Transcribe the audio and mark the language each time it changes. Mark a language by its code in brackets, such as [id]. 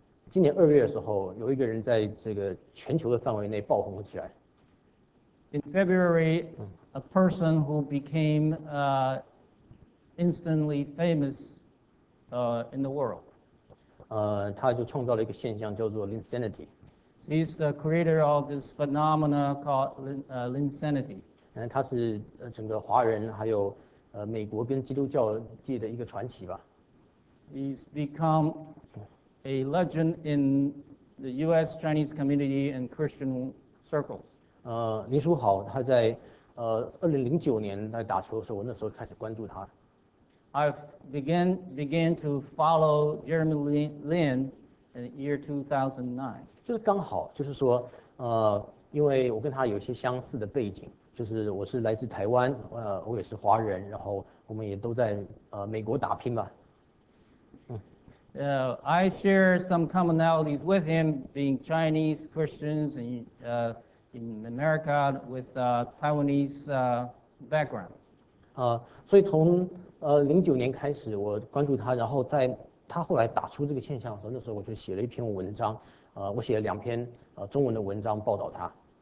[zh] 今年2月的时候, 有一个人在这个全球的范围内爆红起来。 [en] In February, a person who became instantly famous in the world. [zh] 他就创造了一个现象叫做Linsanity. [en] He's the creator of this phenomena called Linsanity. [zh] 他是整个华人还有 美国跟基督教界的一个传奇吧。 [en] He's become a legend in the U.S. Chinese community and Christian circles. [zh] 林书豪他在 2009年在打球的时候, 我那时候开始关注他。 [en] I began to follow Jeremy Lin in the year 2009. [zh] 就是刚好就是说, 因为我跟他有一些相似的背景。就是我是来自台湾, 我也是华人, 然后我们也都在, 美国打拼吧。 [en] I share some commonalities with him, being Chinese Christians and, in America with Taiwanese backgrounds. [zh] 所以从, 2009年开始, 我关注他, 然后在他后来打出这个现象的时候, 那时候我就写了一篇文章, 我写了两篇, 中文的文章, 报道他。